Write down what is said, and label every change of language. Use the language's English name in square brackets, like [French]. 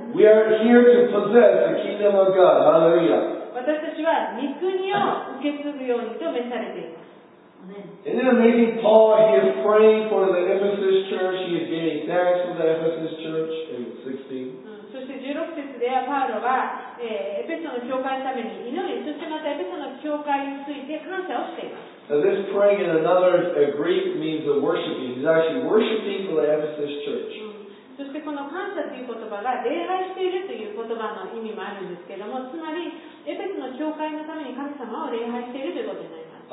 [English] We are here to possess the kingdom of God. Hallelujah. Isn't it amazing? Paul, he is praying for the Ephesus church. He is giving thanks for the Ephesus church in 16. [Japanese] そして16節ではパウロは、エペソの教会のために祈り、そしてまたエペソの教会について感謝をしています。 [English] This praying in another Greek means of worshiping. He's actually worshiping for the Ephesus church. [Japanese] そしてこの感謝という言葉が礼拝しているという言葉の意味もあるんですけれども、つまりエペソの教会のために神様を礼拝しているということになります。